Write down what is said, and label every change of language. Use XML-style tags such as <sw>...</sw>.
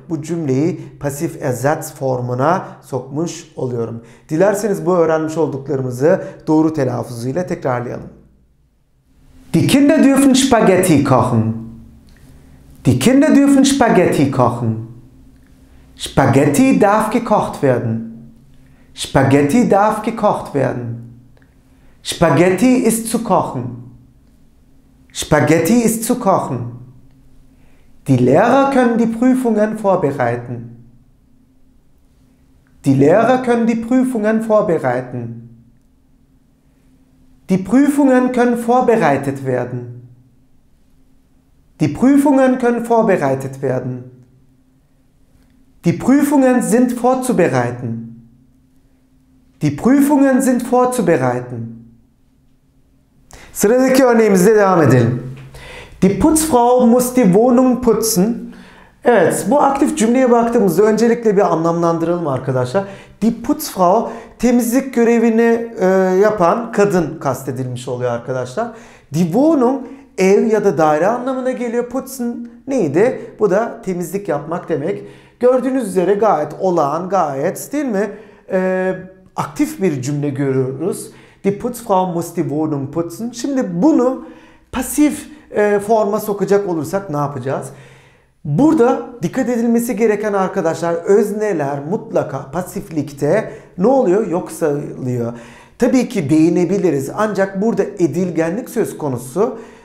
<tr>Bu cümleyi pasif ersatz formuna sokmuş oluyorum. Dilerseniz bu öğrenmiş olduklarımızı doğru telaffuzuyla tekrarlayalım.</tr> <de>Die Kinder dürfen Spaghetti kochen. Die Kinder dürfen Spaghetti kochen. Spaghetti darf gekocht werden. Spaghetti darf gekocht werden. Spaghetti ist zu kochen. Spaghetti ist zu kochen. Die Lehrer können die Prüfungen vorbereiten. Die Lehrer können die Prüfungen vorbereiten. Die Prüfungen können vorbereitet werden. Die Prüfungen können vorbereitet werden. Die Prüfungen sind vorzubereiten. Die Prüfungen sind vorzubereiten.</de> <tr>Sıradaki örneğimizle devam edelim.</tr> <de>Die Putzfrau muss die Wohnung putzen.</de> <tr>Evet, bu aktif cümleye baktığımızda öncelikle bir anlamlandıralım arkadaşlar.</tr> <de>Die Putzfrau</de> <tr>temizlik görevini yapan kadın kastedilmiş oluyor arkadaşlar.</tr> <de>Die Wohnung</de> <tr>ev ya da daire anlamına geliyor. Putzen neydi? Bu da temizlik yapmak demek. Gördüğünüz üzere gayet olağan, gayet değil mi? Aktif bir cümle görüyoruz.</tr> <de>Die Putzfrau muss die Wohnung putzen.</de> <tr>Şimdi bunu pasif forma sokacak olursak ne yapacağız? Burada dikkat edilmesi gereken arkadaşlar özneler mutlaka pasiflikte ne oluyor? Yok sayılıyor. Tabii ki değinebiliriz. Ancak burada edilgenlik söz konusu.</tr>